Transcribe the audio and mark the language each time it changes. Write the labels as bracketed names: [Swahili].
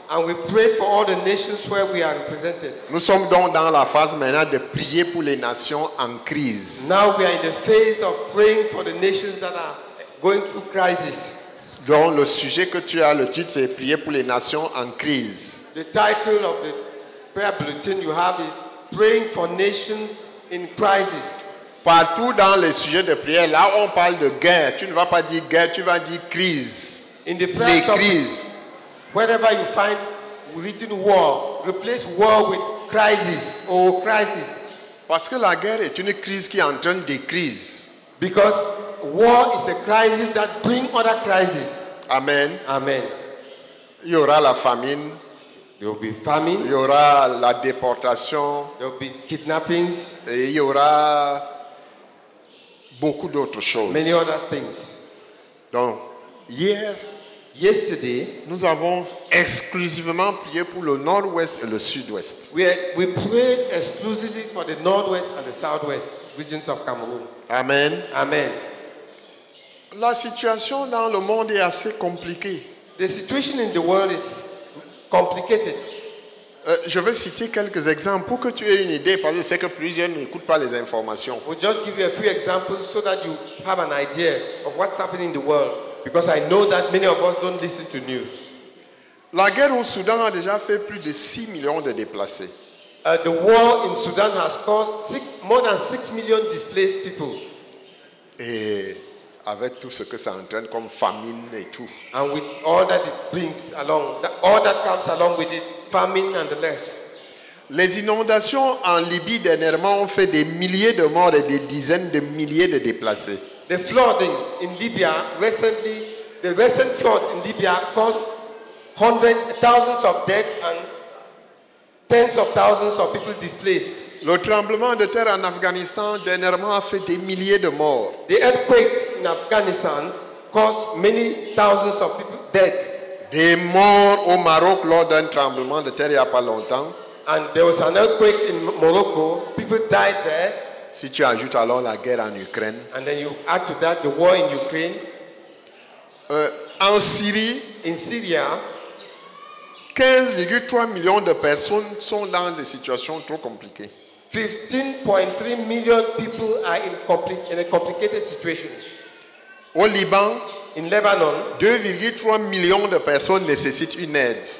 [English] And we prayed for all the nations where we are represented. [French] Nous sommes donc dans la phase maintenant de prier pour les nations en crise. [English] Now we are in the phase of praying for the nations that are going through crisis. [French] Donc le sujet que tu as, le titre, c'est prier pour les nations en crise. [English] The title of the prayer bulletin you have is praying for nations in crisis. [French] Partout dans les sujets de prière, là on parle de guerre. Tu ne vas pas dire guerre, tu vas dire crise. [English] In the prayer [French] les crises. [English] Wherever you find written war, replace war with crisis or crisis. [French] Parce que la guerre est une crise qui entraîne des crises. [English] Because war is a crisis that brings other crises. Amen. Amen. [French] Il y aura la famine. [English] There will be famine. [French] Il y aura la déportation. [English] There will be kidnappings. [French] Et il y aura beaucoup d'autres choses. [English] Many other things. [French] Donc, hier, [English] yesterday, [French] nous avons exclusivement prié pour le nord-ouest et le sud-ouest. [English] We prayed exclusively for the northwest and the southwest regions of Cameroon. Amen. Amen. [French] La situation dans le monde est assez compliquée. [English] The situation in the world is complicated. [French] Je vais citer quelques exemples pour que tu aies une idée, parce que je sais que plusieurs n'écoutent pas les informations. [English] We'll just give you a few examples so that you have an idea of what's happening in the world, because I know that many of us don't listen to news. [French] La guerre au Soudan a déjà fait plus de 6 millions de déplacés. [English] The war in Sudan has caused more than 6 million displaced people. [French] Et avec tout ce que ça entraîne comme famine et tout. [English] And with all that it brings along, all that comes along with it, famine nonetheless. [French] Les inondations en Libye dernièrement ont fait des milliers de morts et des dizaines de milliers de déplacés. [English] The flooding in Libya recently, the recent flood in Libya caused hundreds, thousands of deaths and tens of thousands of people displaced. [French] Le tremblement de terre en Afghanistan dernièrement a fait des milliers de morts. [English] The earthquake in Afghanistan caused many thousands of people deaths. [French] Des morts au Maroc lors d'un tremblement de terre il n'y a pas longtemps. [English] And there was an earthquake in Morocco. People died there. [French] Si tu ajoutes alors la guerre en Ukraine. [English] And then you add to that the war in Ukraine. [French] En Syrie. [English] In Syria. [French] 15,3 millions de personnes sont dans des situations trop compliquées. [English] 15.3 million people are in a complicated situation. [French] Au Liban, [English] in Lebanon, [French] 2,3 millions de personnes nécessitent une aide.